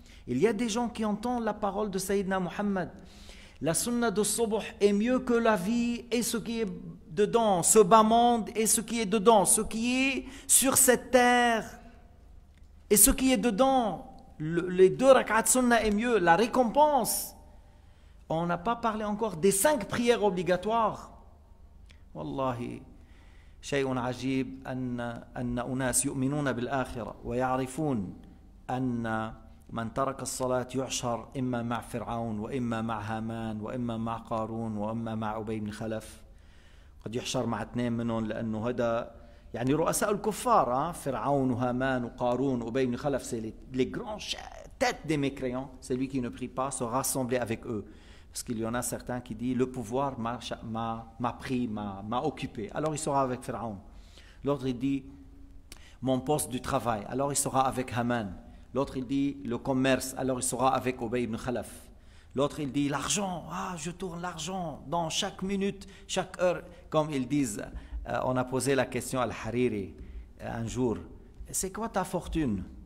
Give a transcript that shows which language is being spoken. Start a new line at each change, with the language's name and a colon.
French: Il y a des gens qui entendent la parole de Sayyidina Muhammad. La sunna du subh est mieux que la vie et ce qui est dedans, ce bas monde et ce qui est dedans, ce qui est sur cette terre et ce qui est dedans. Les deux rak'at sunna est mieux, la récompense. On n'a pas parlé encore des 5 prières obligatoires.
Arabic: Wallahi, shay'un ajib an unas yu'minun bil akhirah wa ya'rifun an من ترك الصلاة يعشر إما مع فرعون وإما مع هامان وإما مع قارون وإما مع أبي بن خلف قد يحشر مع اثنين منهم لأنه هذا يعني رؤساء الكفار فرعون وهامان وقارون وأبي بن خلف
French: سي لي غران تيت دي ميكريون celui qui ne prie pas se rassembler avec eux parce qu'il y en a certains qui dit le pouvoir m'a pris m'a occupé alors il sera avec Pharaon. L'autre il dit mon poste du travail alors il sera avec Haman. L'autre, il dit le commerce, alors il sera avec Obey ibn Khalaf. L'autre, il dit l'argent, ah, je tourne l'argent dans chaque minute, chaque heure. Comme ils disent, on a posé la question à Al-Hariri un jour, c'est quoi ta fortune?